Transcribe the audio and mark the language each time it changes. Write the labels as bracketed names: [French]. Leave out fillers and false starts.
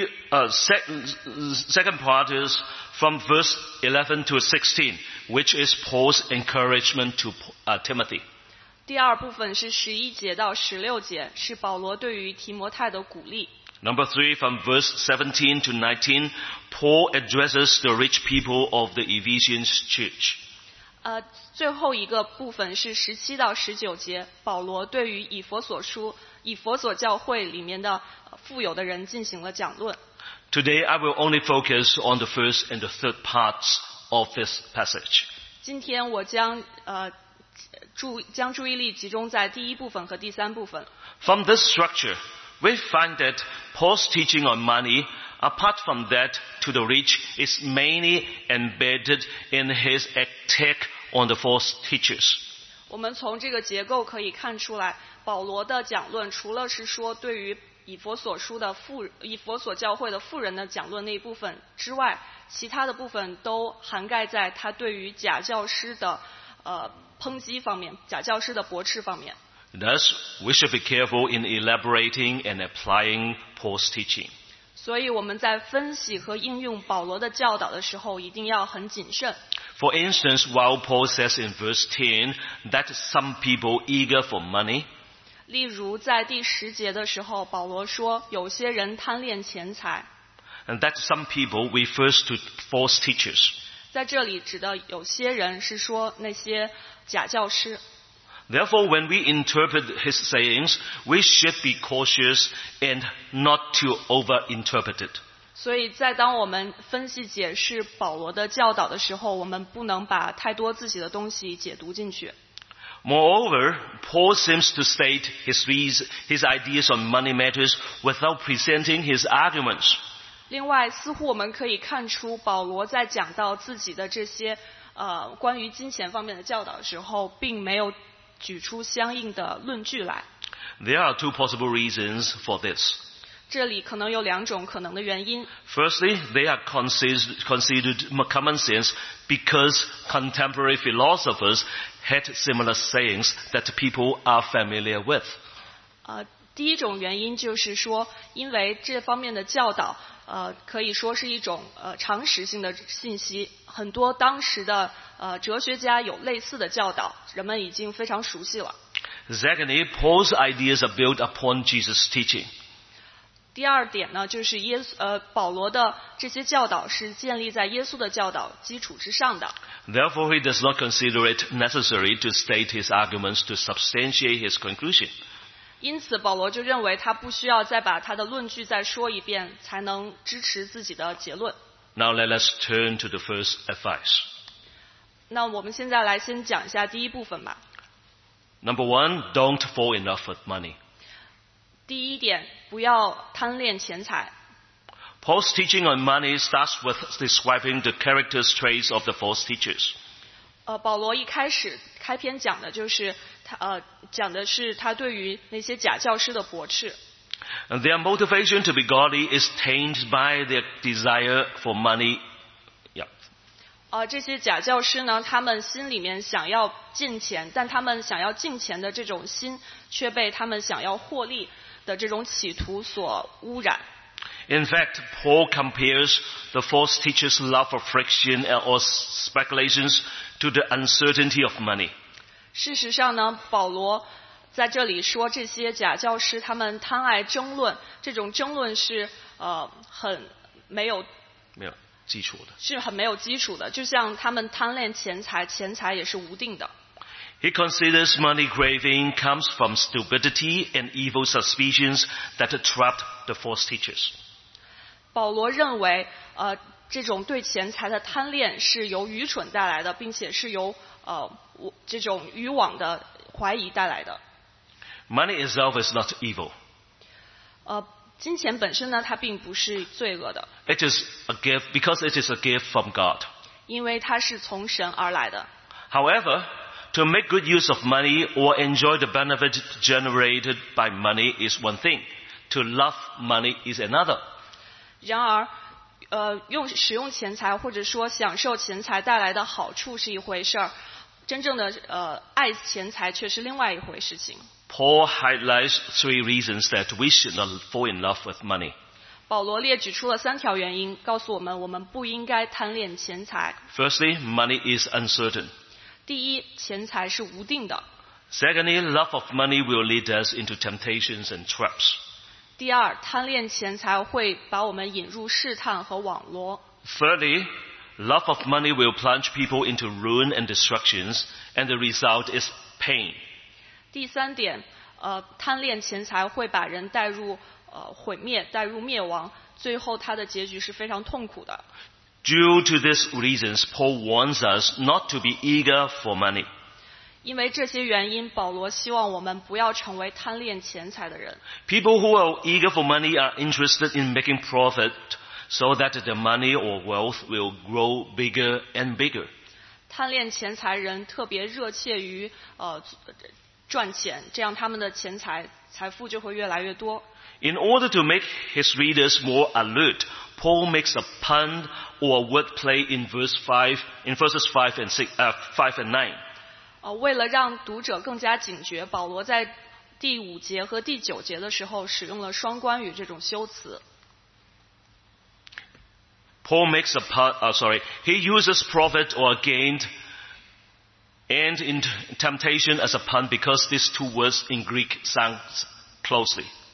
[English] The second part is from verse 11 to 16, which is Paul's encouragement to Timothy. [Chinese] 第二部分是11节到16节，是保罗对于提摩太的鼓励。 [English] Number three, from verse 17 to 19, Paul addresses the rich people of the Ephesians church. [Chinese] 最后一个部分是17到19节，保罗对于以弗所教会里面的富有的人进行了讲论。 [English] Today I will only focus on the first and the third parts of this passage. [Chinese] 今天我将注意力集中在第一部分和第三部分。 [English] From this structure, we find that Paul's teaching on money, apart from that to the rich, is mainly embedded in his attack on the false teachers. [Chinese] 我们从这个结构可以看出来，保罗的讲论除了是说对于以弗所教会的富人的讲论那一部分之外，其他的部分都涵盖在他对于假教师的抨击方面，假教师的驳斥方面。 [English] Thus, we should be careful in elaborating and applying Paul's teaching. [Chinese] 所以我们在分析和应用保罗的教导的时候，一定要很谨慎。 [English] For instance, while Paul says in verse 10 that some people eager for money. [Chinese] 例如在第十节的时候，保罗说有些人贪恋钱财。 [English] And that some people refers to false teachers. [Chinese] 在这里指的有些人是说那些假教师。 [English] Therefore, when we interpret his sayings, we should be cautious and not to overinterpret it. [Chinese] 所以在当我们分析解释保罗的教导的时候，我们不能把太多自己的东西解读进去。 [English] Moreover, Paul seems to state his ideas on money matters without presenting his arguments. [Chinese] 另外，似乎我们可以看出保罗在讲到自己的这些关于金钱方面的教导的时候，并没有举出相应的论据来。 [English] There are two possible reasons for this. [Chinese] 这里可能有两种可能的原因。 [English] Firstly, they are considered common sense because contemporary philosophers had similar sayings that people are familiar with. [Chinese] 第一种原因就是说，因为这方面的教导可以说是一种常识性的信息，很多当时的哲学家有类似的教导，人们已经非常熟悉了。 [English] Secondly, Paul's ideas are built upon Jesus' teaching. [Chinese] 第二点呢，就是保罗的这些教导是建立在耶稣的教导基础之上的。 [English] Therefore, he does not consider it necessary to state his arguments to substantiate his conclusion. [Chinese] 因此，保罗就认为他不需要再把他的论据再说一遍，才能支持自己的结论。 [English] Now let us turn to the first advice. [Chinese] 那我们现在来先讲一下第一部分吧。 [English] Number one, don't fall in love with money. [Chinese] 第一点，不要贪恋钱财。 [English] Paul's teaching on money starts with describing the character's traits of the false teachers. [Chinese] 保罗一开始开篇讲的就是他讲的是他对于那些假教师的驳斥。 [English] And their motivation to be godly is tainted by their desire for money. Yeah. [Chinese] 这些假教师呢，他们心里面想要进钱，但他们想要进钱的这种心，却被他们想要获利。的这种企图所污染。 In fact, Paul compares the false teachers' love of friction or speculations to the uncertainty of money. 事实上呢，保罗在这里说这些假教师他们贪爱争论，这种争论是很没有基础的，是很没有基础的。就像他们贪恋钱财，钱财也是无定的。 [English] He considers money craving comes from stupidity and evil suspicions that trapped the false teachers. [Chinese] 保罗认为，这种对钱财的贪恋是由愚蠢带来的，并且是由这种愚妄的怀疑带来的。 [English] Money itself is not evil. [Chinese] 金钱本身呢，它并不是罪恶的。 [English] It is a gift because it is a gift from God. [Chinese] 因为它是从神而来的。 [English] However,To make good use of money or enjoy the benefit generated by money is one thing. To love money is another. [Chinese] 然而，使用钱财或者说享受钱财带来的好处是一回事儿，真正的爱钱财却是另外一回事情。 [English] Paul highlights three reasons that we should not fall in love with money. [Chinese] 保罗列举出了三条原因，告诉我们我们不应该贪恋钱财。 [English] Firstly, money is uncertain. [Chinese] 第一，钱财是无定的。 [English] Secondly, love of money will lead us into temptations and traps. [Chinese] 第二，贪恋钱财会把我们引入试探和网罗。 [English] Thirdly, love of money will plunge people into ruin and destructions, and the result is pain. [Chinese] 第三点，贪恋钱财会把人带入毁灭，带入灭亡，最后它的结局是非常痛苦的。 [English] Due to these reasons, Paul warns us not to be eager for money. [Chinese] 因为这些原因，保罗希望我们不要成为贪恋钱财的人。 [English] People who are eager for money are interested in making profit so that their money or wealth will grow bigger and bigger. [Chinese] 贪恋钱财人特别热切于赚钱，这样他们的钱财财富就会越来越多。 [English] In order to make his readers more alert, Paul makes a pun or a wordplay in verses 5 and 9. [Chinese] 为了让读者更加警觉，保罗在第五节和第九节的时候使用了双关语这种修辞。 [English] Paul makes a pun, he uses profit or gain and in temptation as a pun because these two words in Greek sound closely.